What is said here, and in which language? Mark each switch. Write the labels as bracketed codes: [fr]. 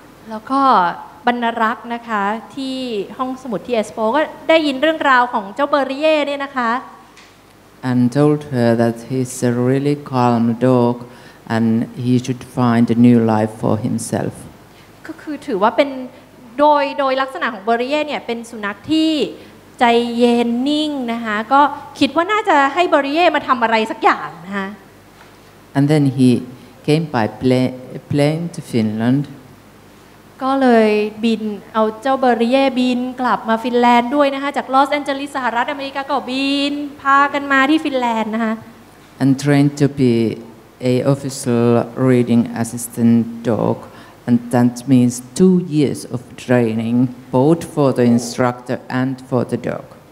[th] แล้วก็บรรณรักษ์นะคะที่ห้องสมุดที่เอสโปก็ได้ยินเรื่องราวของเจ้าเบอร์เย่เนี่ยนะคะ [en] And told her that he's a really calm dogAnd he should find a new life for himself. [th] ก็คือถือว่าเป็นโดยลักษณะของเบอร์เย่เนี่ยเป็นสุนัขที่ใจเย็นนิ่งนะคะก็คิดว่าน่าจะให้เบอร์เย่มาทำอะไรสักอย่างนะคะ [en] And then he came by plane to Finland. [th] ก็เลยบินเอาเจ้าเบอร์เย่บินกลับมาฟินแลนด์ด้วยนะคะจากลอสแอนเจลิสสหรัฐอเมริกาก็บินพากันมาที่ฟินแลนด์นะคะ [en] And trained to beA official reading assistant dog, and that means 2 years of training, both for the instructor and for the dog.